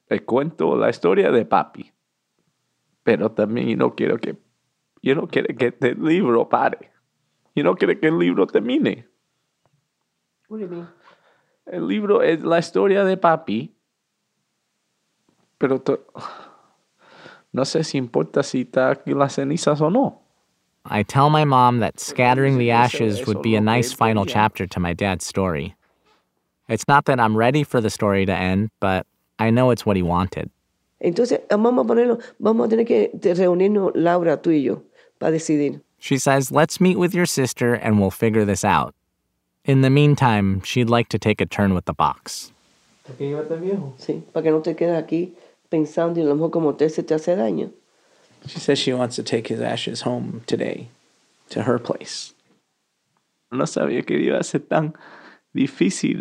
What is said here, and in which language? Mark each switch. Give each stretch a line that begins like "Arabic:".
Spanish: El cuento, la historia de papi. Pero también yo no quiero que este libro pare. Yo no quiero que el libro termine.
English: What do you mean?
Spanish: El libro es la historia de papi. Pero no sé si importa si está aquí las cenizas o no.
English: I tell my mom that scattering the ashes would be a nice final chapter to my dad's story. It's not that I'm ready for the story to end, but I know it's what he wanted.
Spanish: Entonces, vamos a ponerlo, vamos a tener que reunirnos, Laura, tú y yo, para decidir.
English: She says, let's meet with your sister and we'll figure this out. In the meantime, she'd like to take a turn with the box.
Spanish: ¿Te quieres llevarte al viejo? Sí, para que no te quedes aquí pensando y a lo mejor como te hace daño.
English: She says she wants to take his ashes home today, to her place.
Spanish: No sabía que iba a ser tan difícil